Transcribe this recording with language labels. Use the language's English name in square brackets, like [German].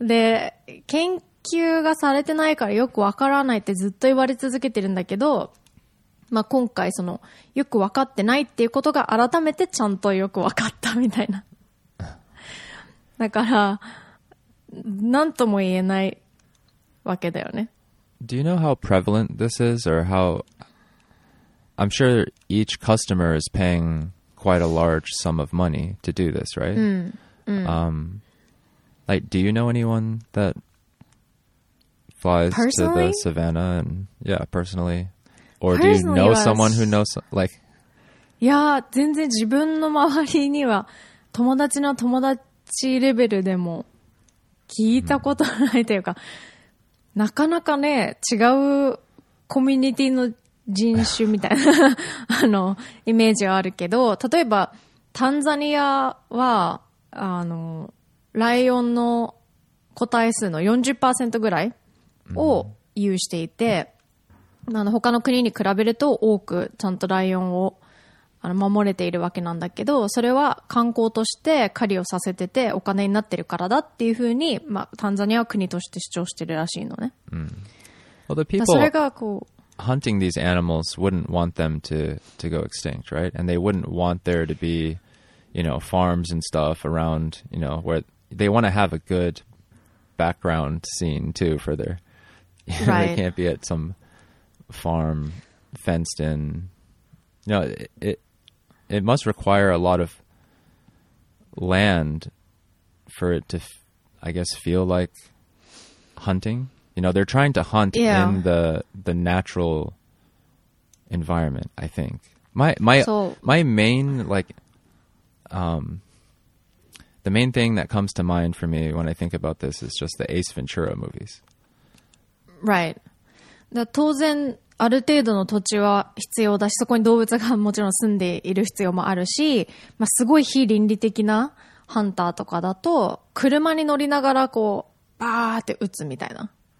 [Japanese] で、研究がされてないからよくわからないってずっと言われ続けてるんだけど、まあ、今回その、よくわかってないっていうことが改めてちゃんとよくわかったみたいな。だから、なんとも言えないわけだよね。 [English] Do you know how prevalent this is or how... I'm sure each customer is paying... quite a large sum of money to do this, right? Like, do you know anyone that flies personally? to the savannah? And, yeah, personally. Or personally do you know someone who knows, like... [Japanese] いや、全然自分の周りには友達の友達レベルでも聞いたことないというか、なかなかね、違うコミュニティの人種みたいな、あの、イメージはあるけど、例えば、タンザニアは、あの、ライオンの個体数の 40% ぐらいを有していて、あの、他の国に比べると多くちゃんとライオンを、守れているわけなんだけど、それは観光として狩りをさせててお金になってるからだっていうふうに、まあ、タンザニアは国として主張してるらしいのね。 [English] Well, the people hunting these animals wouldn't want them to go extinct, right? And they wouldn't want there to be, you know, farms and stuff around, you know, where they want to have a good background scene too for their, you know, they can't be at some farm fenced in. No, it must require a lot of land for it to, I guess, feel like hunting. You know, they're trying to hunt in the natural environment, I think. My main, like, the main thing that comes to mind for me when I think about this is just the Ace Ventura movies. Right. [Japanese] だ当然ある程度の土地は必要だし、そこに動物がもちろん住んでいる必要もあるし、まあ、すごい非倫理的なハンターとかだと車に乗りながらこうバーって撃つみたいな、